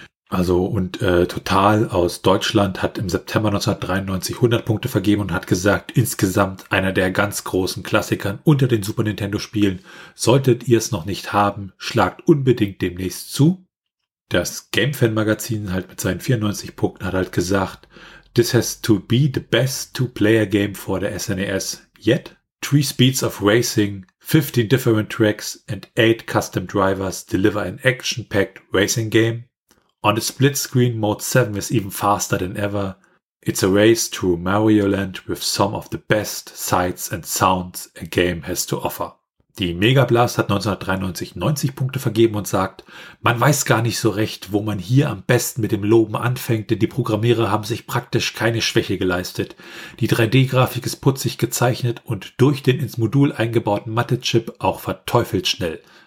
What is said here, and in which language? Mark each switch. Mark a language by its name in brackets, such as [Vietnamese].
[German] Also und Total aus Deutschland hat im September 1993 100 Punkte vergeben und hat gesagt, insgesamt einer der ganz großen Klassiker unter den Super Nintendo-Spielen. Solltet ihr es noch nicht haben, schlagt unbedingt demnächst zu. Das Gamefan-Magazin halt mit seinen 94 Punkten hat halt gesagt, [English] this has to be the best two-player game for the SNES yet. 3 speeds of racing, 15 different tracks and 8 custom drivers deliver an action-packed racing game. On the split-screen, Mode 7 is even faster than ever. It's a race through Mario Land with some of the best sights and sounds a game has to offer. [German] Die Mega Blast hat 1993 90 Punkte vergeben und sagt, man weiß gar nicht so recht, wo man hier am besten mit dem Loben anfängt, denn die Programmierer haben sich praktisch keine Schwäche geleistet. Die 3D-Grafik ist putzig gezeichnet und durch den ins Modul eingebauten Mathe-Chip auch verteufelt schnell.